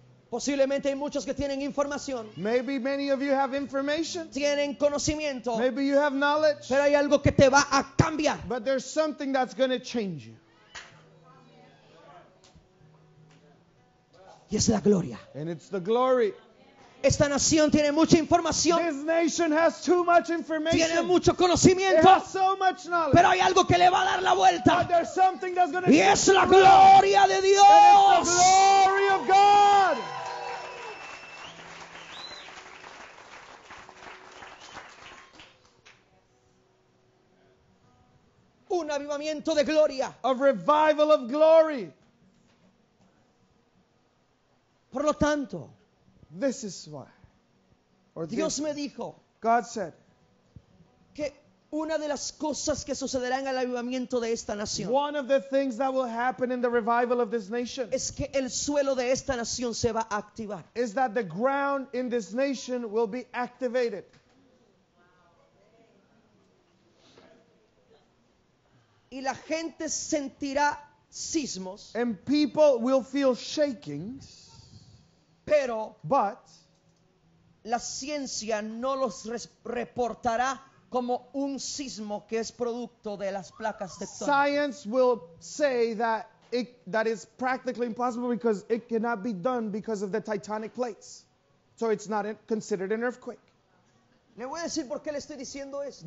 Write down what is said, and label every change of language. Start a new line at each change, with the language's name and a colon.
Spanish: Posiblemente hay muchos que tienen información.
English: Maybe many of you have information.
Spanish: Tienen conocimiento.
English: Maybe you have knowledge.
Spanish: Pero hay algo que te va a cambiar.
English: But there's something that's going to change you.
Spanish: Y es la gloria.
English: And it's the glory.
Spanish: Esta nación tiene mucha información.
English: This nation has too much information.
Spanish: Tiene mucho conocimiento.
English: It has so much knowledge.
Spanish: Pero hay algo que le va a dar la vuelta.
English: But there's something that's going to change.
Spanish: Y es la gloria de Dios.
English: And it's the glory of God.
Spanish: Un avivamiento de gloria.
English: A revival of glory.
Spanish: Por lo tanto,
English: this is why.
Spanish: Or Dios me dijo,
English: God said,
Spanish: que una de las cosas que sucederá en el avivamiento de esta nación,
English: one of the things that will happen in the revival of this nation,
Spanish: es que el suelo de esta nación se va a activar.
English: Is that the ground in this nation will be activated.
Spanish: Y la gente sentirá sismos.
English: And people will feel shakings.
Spanish: Pero,
English: but
Spanish: la ciencia no los reportará como un sismo que es producto de las placas tectónicas.
English: Science will say that is practically impossible because it cannot be done because of the tectonic plates. So it's not considered an earthquake.
Spanish: Le voy a decir por qué le estoy diciendo esto.